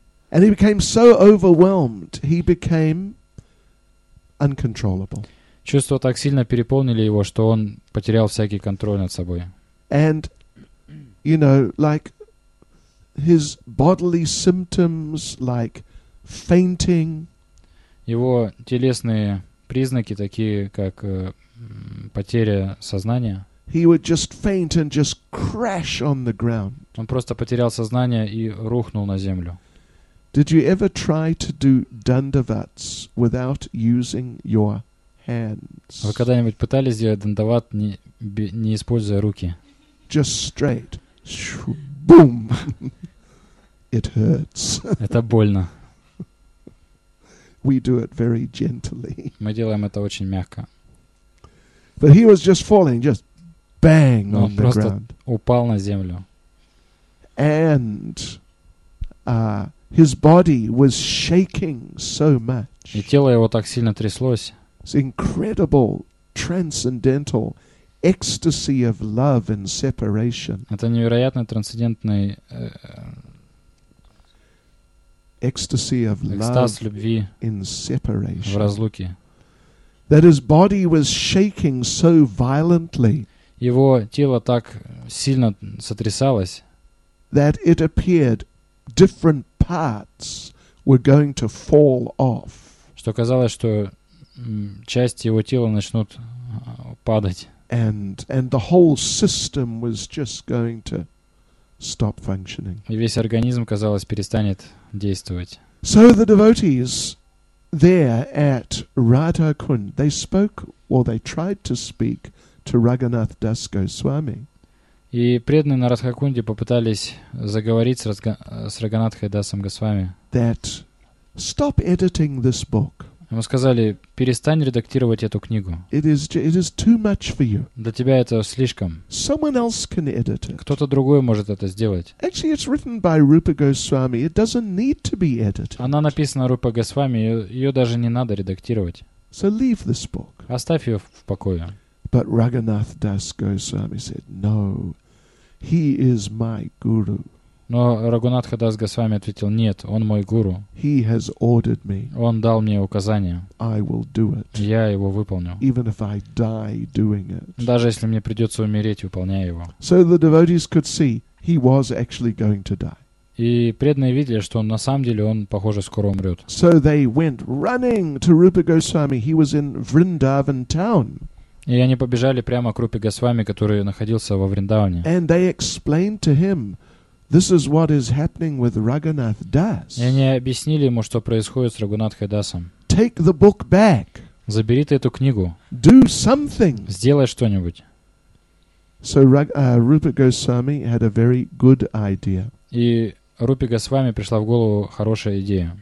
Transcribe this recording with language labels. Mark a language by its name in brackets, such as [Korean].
[English] And he became so overwhelmed, he became uncontrollable. [Russian] Чувства так сильно переполнили его, что он потерял всякий контроль над собой. [English] And, you know, like his bodily symptoms, like fainting. [Russian] Его телесные признаки, такие как потеря сознания. [English] He would just faint and just crash on the ground. [Russian] Он просто потерял сознание и рухнул на землю. [English] Did you ever try to do dandavats without using your hands? [Russian] Вы когда-нибудь пытались сделать дандават, не используя руки? [English] Just straight. Boom. It hurts. [Russian] Это больно. [English] We do it very gently. [Russian] Мы делаем это очень мягко. [English] But he was just falling, just bang on the ground. [Russian] Он просто упал на землю. [English] And his body was shaking so much. [Russian] И тело его так сильно тряслось. [English] It's incredible, transcendental ecstasy of love and separation. [Russian] Это невероятный трансцендентный [English] ecstasy of love in separation. [Russian] В разлуке. [English] That his body was shaking so violently. [Russian] Его тело так сильно сотрясалось. [English] That it appeared different parts were going to fall off. [Russian] Что казалось, что части его тела начнут падать. [English] And the whole system was just going to stop functioning. [Russian] И весь организм, казалось, перестанет действовать. [English] So the devotees there at Radha Kund, they spoke, or they tried to speak to Raghunath Das Goswami. [Russian] И преданные на Радхакунде попытались заговорить с Раганатхой Дасом Госвами. [English] That stop editing this book. [Russian] Ему сказали: перестань редактировать эту книгу. [English] It is too much for you. [Russian] Для тебя это слишком. [English] Someone else can edit it. [Russian] Кто-то другой может это сделать. [English] Actually, it's written by Rupa Goswami. It doesn't need to be edited. [Russian] Она написана Рупа Госвами, ее даже не надо редактировать. [English] So leave this book. [Russian] Оставь ее в покое. [English] But Raghunath Das Goswami said, "No, he is my guru." [Russian] Но Рагунатха Дас Госвами ответил: "Нет, он мой гуру." [English] He has ordered me. [Russian] Он дал мне указание. [English] I will do it. [Russian] Я его выполню. [English] Even if I die doing it. [Russian] Даже если мне придется умереть, выполняя его. [English] So the devotees could see he was actually going to die. [Russian] И преданные видели, что на самом деле он, похоже, скоро умрет. [English] So they went running to Rupa Goswami. He was in Vrindavan town. [Russian] И они побежали прямо к Рупе Госвами, который находился во Вриндаване. [English] And they explained to him, this is what is happening with Raghunath Das. [Russian] И они объяснили ему, что происходит с Рагунатхой Дасом. [English] Take the book back. [Russian] Забери ты эту книгу. [English] Do something. [Russian] Сделай что-нибудь. [English] So Rupa Goswami had a very good idea. [Russian] И Рупе Госвами пришла в голову хорошая идея.